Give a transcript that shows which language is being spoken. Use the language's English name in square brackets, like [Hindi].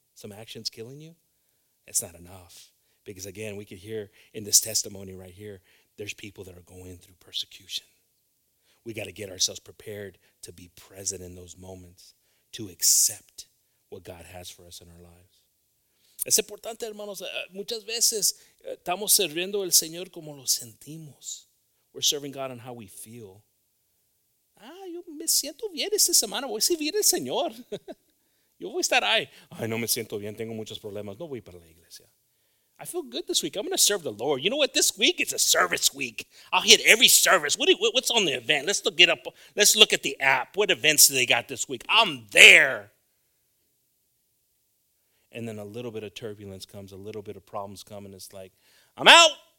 [English] Some actions killing you? That's not enough. Because again, we could hear in this testimony right here, there's people that are going through persecution. We got to get ourselves prepared to be present in those moments, to accept what God has for us in our lives. [Spanish] Es importante, hermanos, muchas veces estamos sirviendo al Señor como lo sentimos. [English] We're serving God on how we feel. [Spanish] Ah, yo me siento bien esta semana, voy a servir al Señor. Yo voy a estar ahí. Ay, no me siento bien, tengo muchos problemas, no voy para la iglesia. [English] I feel good this week, I'm going to serve the Lord. You know what, this week it's a service week. I'll hit every service. What's on the event? Let's look at the app. What events do they got this week? I'm there. And then a little bit of turbulence comes, a little bit of problems come, and it's like, I'm out.